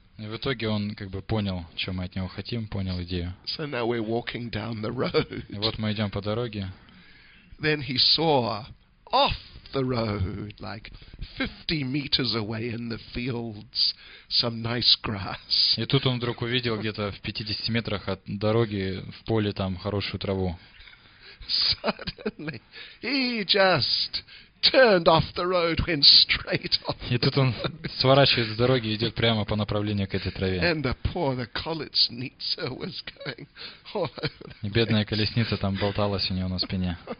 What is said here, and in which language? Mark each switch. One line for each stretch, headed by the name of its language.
Russian: И в итоге он понял, что мы от него хотим, понял идею.
English: So now we're walking down the road.
Russian: И вот мы идем по дороге.
English: Then he saw off the road, 50 meters away in the fields, some nice grass.
Russian: И тут он вдруг увидел где-то в 50 метрах от дороги в поле хорошую траву.
English: Suddenly he just turned off the road, went straight off.
Russian: И тут он сворачивает с дороги и идет прямо по направлению к этой траве.
English: And the колесница was going all over.
Russian: И бедная колесница болталась у него на спине.